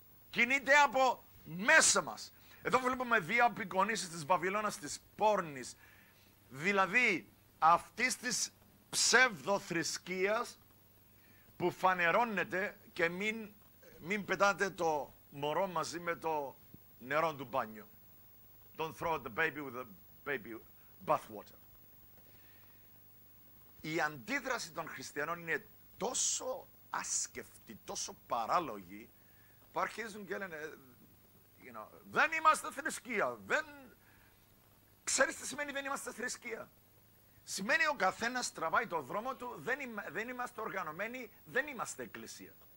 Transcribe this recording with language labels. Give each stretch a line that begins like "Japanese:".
Greek: Κινείται από μέσα μας. Εδώ βλέπουμε δύο απεικονίσεις της Βαβυλώνας, της πόρνης. Δηλαδή αυτής της ψευδοθρησκείας που φανερώνεται και μην πετάτε το μωρό μαζί με το νερό του μπάνιου.
English: Don't throw the baby with the baby bathwater.
Greek: Η αντίδραση των χριστιανών είναι τόσο άσκευτη, τόσο παράλογη, που αρχίζουν και λένε,
English: you know,
Greek: δεν είμαστε θρησκεία. Ξέρεις τι σημαίνει δεν είμαστε θρησκεία? Σημαίνει ο καθένας τραβάει το δρόμο του, δεν είμαστε οργανωμένοι, δεν είμαστε εκκλησία.